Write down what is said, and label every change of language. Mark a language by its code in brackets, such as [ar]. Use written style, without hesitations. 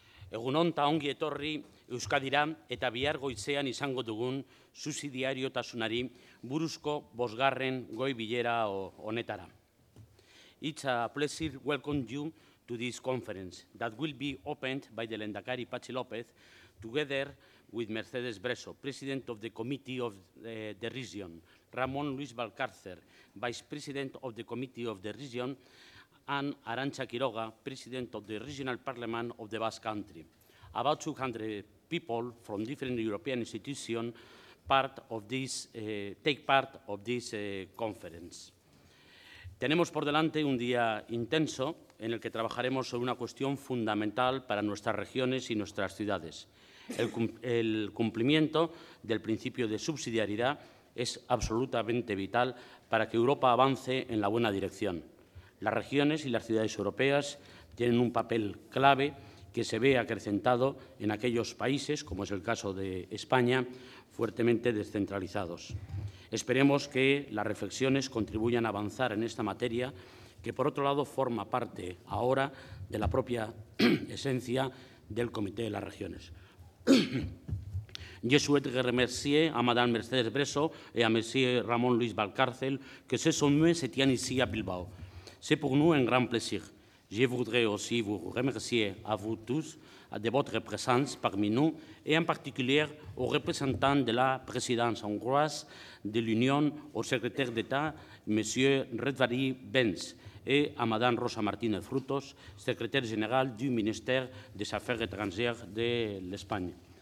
[eu] Egunon ta ongi etorri Euskadira eta bihar goitzean izango dugun subsidiariotasunari buruzko bosgarren goi bilera honetara. [en] It's a pleasure welcome you to this conference that will be opened by the Lehendakari Patxi López together with Mercedes Breso, President of the Committee of the Region, Ramón Luis Valcárcer, Vice President of the Committee of the Region, and Arantxa Quiroga, President of the Regional Parliament of the Basque Country. About 200 people from different European institutions take part of this conference. [es] Tenemos por delante un día intenso en el que trabajaremos sobre una cuestión fundamental para nuestras regiones y nuestras ciudades. El cumplimiento del principio de subsidiariedad es absolutamente vital para que Europa avance en la buena dirección. Las regiones y las ciudades europeas tienen un papel clave que se ve acrecentado en aquellos países, como es el caso de España, fuertemente descentralizados. Esperemos que las reflexiones contribuyan a avanzar en esta materia, que por otro lado forma parte ahora de la propia esencia del Comité de las Regiones. [fr] Je souhaite que remercie a Madame Mercedes Breso et à Monsieur Ramón Luis Valcárcel que ce sommet se tienne ici à Bilbao. C'est pour nous un grand plaisir. Je voudrais aussi vous remercier à vous tous de votre présence parmi nous et en particulier aux représentants de la présidence hongroise de l'Union, au secrétaire d'État, Monsieur Redvary Benz, et à Madame Rosa Martínez Frutos, secrétaire générale du ministère des Affaires étrangères de l'Espagne.